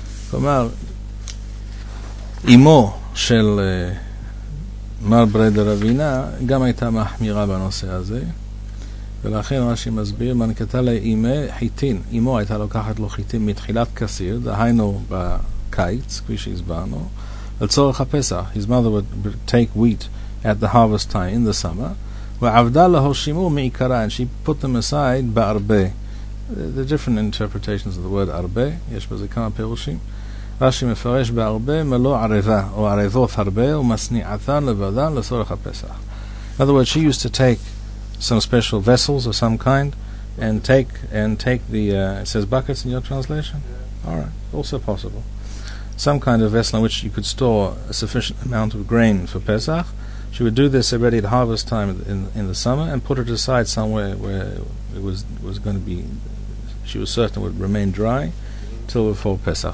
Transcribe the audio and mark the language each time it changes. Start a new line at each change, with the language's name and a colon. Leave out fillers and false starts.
Hebrew: כלומר, אמו של מר ברי דרבינה גם הייתה מחמירה בנושא הזה, ולכן מה שמסביר, מנקתה לאימה חיטין. אמו הייתה לוקחת לו חיטין מתחילת כסיר, דהיינו בקיץ, כפי שהסברנו, לצורך הפסח.
English: His mother would take wheat at the harvest time in the summer,
Hebrew: ועבדה להושימו מעיקרה,
English: and she put them aside בארבה. The different interpretations of the word ארבה,
Hebrew: יש בזה כמה פירושים. רש"י מפרש בארבה מלוא ערבה, או ערבות הרבה, ומסניעתן לבדן לצורך הפסח.
English: In other words, she used to take some special vessels of some kind, and take the, it says buckets in your translation? Yeah. All right, also possible. Some kind of vessel in which you could store a sufficient amount of grain for Pesach. She would do this already at harvest time in the summer and put it aside somewhere where it was going to be, she was certain it would remain dry till before Pesach.